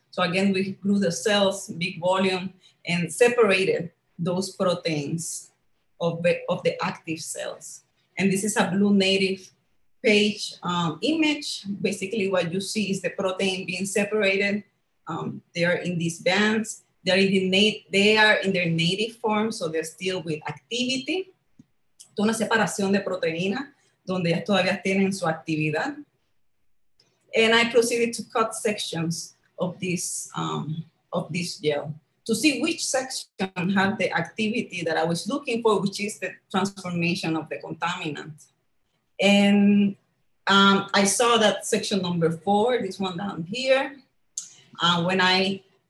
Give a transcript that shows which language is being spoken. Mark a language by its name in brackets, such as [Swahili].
[English] So again, we grew the cells, big volume, and separated those proteins of the active cells. And this is a blue native page image. Basically what you see is the protein being separated. They are in these bands. They are in their native form, so they're still with activity. [Spanish] Toda una separación de proteína donde ya todavía tienen su actividad. [English] And I proceeded to cut sections of this gel to see which section had the activity that I was looking for, which is the transformation of the contaminant. And I saw that section number 4, this one down here, when I